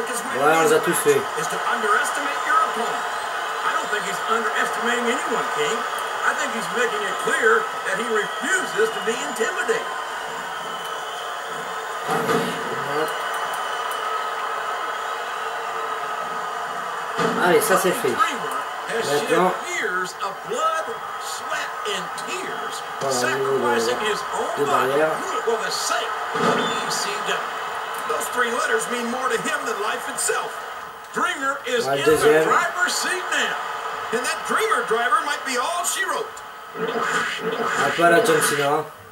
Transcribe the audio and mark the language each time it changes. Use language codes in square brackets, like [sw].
[en] Is to underestimate your opponent. I don't think he's underestimating anyone, King. I think he's making it clear that he refuses to be intimidated. [fr] Allez, ça c'est fait. Maintenant. [en] Years of blood, sweat, in tears, sacrificing his own body. Well, the sight of EC, those three letters mean more to him than life itself. Dreamer is in the driver's seat now. And that Dreamer driver might be all she wrote. [fr] Un peu à la John Cena.